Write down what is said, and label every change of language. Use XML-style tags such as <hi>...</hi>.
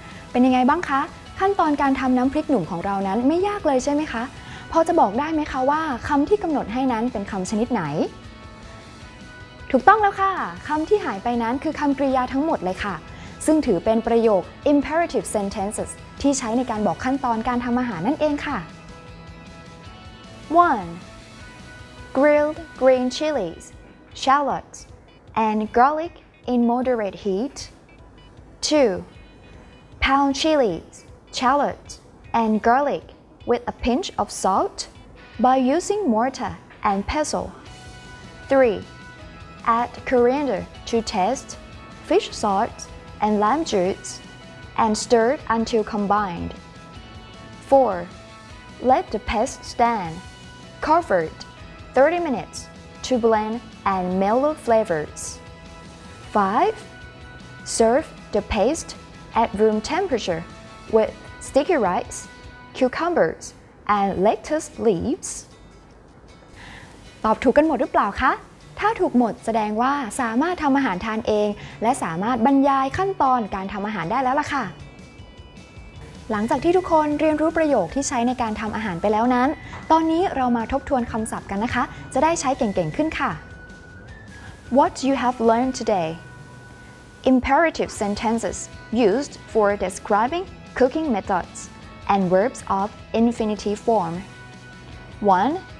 <th>เป็นยังไงบ้างคะขั้นตอนการทำน้ำพริกหนุ่มของเรานั้นไม่ยากเลยใช่ไหมคะพอจะบอกได้ไหมคะว่าคำที่กำหนดให้นั้นเป็นคำชนิดไหนถูกต้องแล้วค่ะคำที่หายไปนั้นคือคำกริยาทั้งหมดเลยค่ะซึ่งถือเป็นประโยค imperative sentences ที่ใช้ในการบอกขั้นตอนการทำอาหารนั่นเองค่ะ 1.</th> <en>Grilled green chilies, shallots, and garlic in moderate heat. 2. Pound chilies, shallots, and garlic with a pinch of salt by using mortar and pestle. 3. Add coriander to taste, fish salt, and lime juice, and stir until combined. 4. Let the paste stand, covered, 30 minutes to blend and mellow flavors. 5. Serve the paste at room temperature with sticky rice, cucumbers, and lettuce leaves.</en> <th>ตอบถูกกันหมดหรือเปล่าคะถ้าถูกหมดแสดงว่าสามารถทำอาหารทานเองและสามารถบรรยายขั้นตอนการทำอาหารได้แล้วล่ะค่ะหลังจากที่ทุกคนเรียนรู้ประโยคที่ใช้ในการทำอาหารไปแล้วนั้นตอนนี้เรามาทบทวนคำศัพท์กันนะคะจะได้ใช้เก่งๆขึ้นค่ะ</th> <en>What you have learned today Imperative sentences used for describing cooking methods and verbs of infinitive form 1.</en>